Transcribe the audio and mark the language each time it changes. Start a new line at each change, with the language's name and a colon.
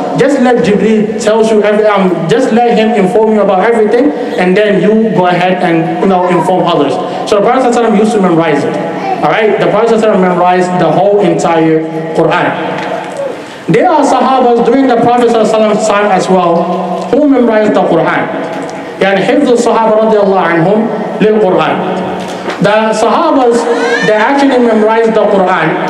English: Just let Jibreel tell you everything. Just let him inform you about everything. And then you go ahead and, you know, inform others. So the Prophet ﷺ used to memorize it. All right? The Prophet ﷺ memorized the whole entire Quran. There are Sahabas during the Prophet ﷺ's time as well who memorized the Quran.
Arabic: يعني حفظ الصحابة رضي الله عنهم للقرآن.
English: The Sahabas, they actually memorized the Quran.